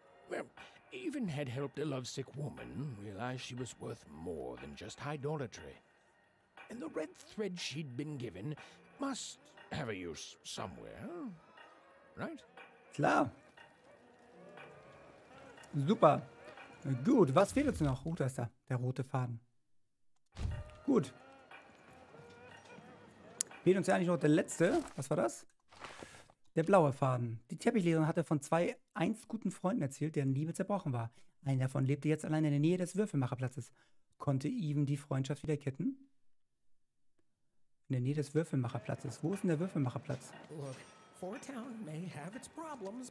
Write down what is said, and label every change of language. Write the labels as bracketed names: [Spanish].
[English] Well, even had helped a lovesick woman realize she was worth more than just idolatry. And the red thread she'd been given must have a use somewhere, right? [German] Klar. Super. Gut, was fehlt jetzt noch? Oh, da ist da, der rote Faden. Gut. Fehlt uns ja eigentlich noch der letzte. Was war das? Der blaue Faden. Die Teppichleserin hatte von zwei einst guten Freunden erzählt, deren Liebe zerbrochen war. Einer davon lebte jetzt allein in der Nähe des Würfelmacherplatzes. Konnte Even die Freundschaft wieder kitten? In der Nähe des Würfelmacherplatzes. Wo ist denn der Würfelmacherplatz? [English] Look, Fortown may have its problems,